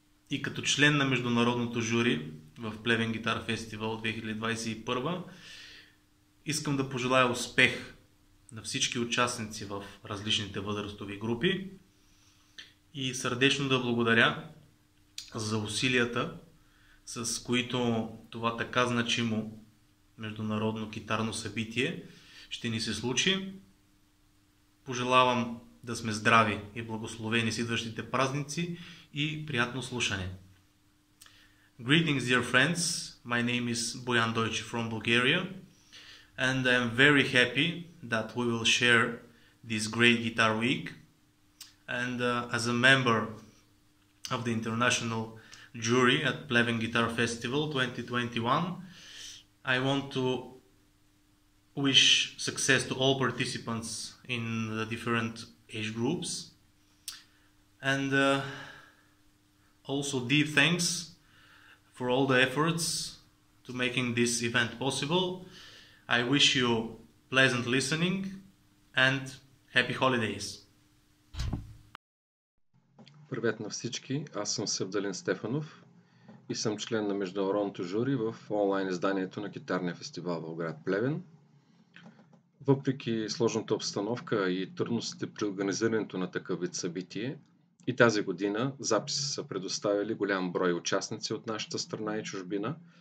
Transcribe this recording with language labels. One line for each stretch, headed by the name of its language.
Bulgarian: И като член на международното жури в Плевен Гитар Фестивал 2021, искам да пожелая успех на всички участници в различните възрастови групи и сърдечно да благодаря за усилията, с които това така значимо международно китарно събитие ще ни се случи. Пожелавам да сме здрави и благословени с идващите празници и приятно слушане.
English: Greetings dear friends, my name is Bojan Dojic from Bulgaria and I am very happy that we will share this great guitar week and as a member of the international jury at Pleven Guitar Festival 2021. I want to wish success to all participants in the different age groups and also deep thanks for all the efforts to making this event possible. I wish you pleasant listening and happy holidays.
Bulgarian: Привет на всички! Аз съм Севдалин Стефанов и съм член на международното жури в онлайн изданието на китарния фестивал в град Плевен. Въпреки сложната обстановка и трудностите при организирането на такъв вид събитие, и тази година записи са предоставили голям брой участници от нашата страна и чужбина.